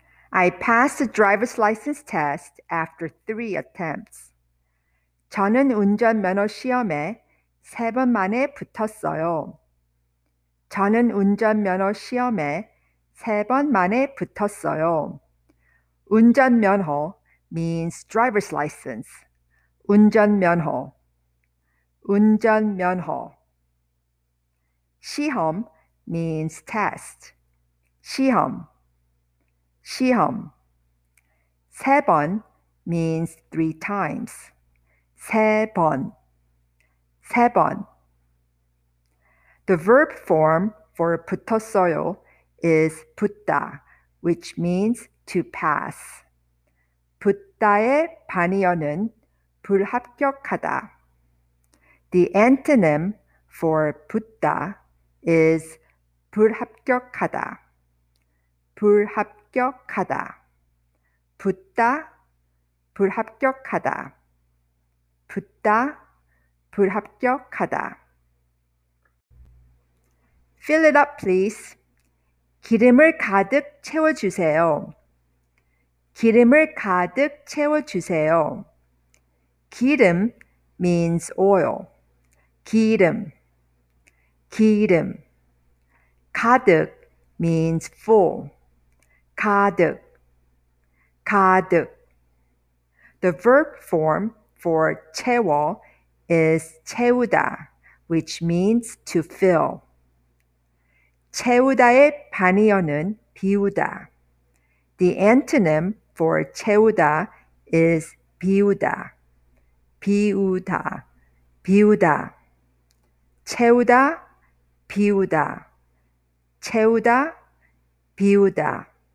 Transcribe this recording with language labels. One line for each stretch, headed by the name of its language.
English: I passed the driver's license test after 3 attempts.
Korean: 저는 운전면허 시험에 세 번 만에 붙었어요. 저는 운전면허 시험에 세 번 만에 붙었어요.
English: 운전면허 means driver's license.
Korean: 운전면허.
English: 운전면허. 시험 means test.
Korean: 시험.
English: 시험. 세 번 means 3 times.
Korean: 세 번. 세 번.
English: The verb form for 붙었어요 is 붙다, which means to pass.
Korean: 붙다의 반이어는 불합격하다.
English: The antonym for 붙다 is 불합격하다.
Korean: 불합격하다. 붙다, 불합격하다. 붙다, 불합격하다.
English: Fill it up, please.
Korean: 기름을 가득 채워주세요. 기름을 가득 채워주세요.
English: 기름 means oil.
Korean: 기름.
English: 기름. 가득 means full.
Korean: 가득. 가득.
English: The verb form for 채워 is 채우다, which means to fill.
Korean: 채우다의 반이어는 비우다.
English: The antonym for 채우다 is 비우다.
Korean: 비우다, 비우다. 채우다, 비우다. 채우다, 비우다.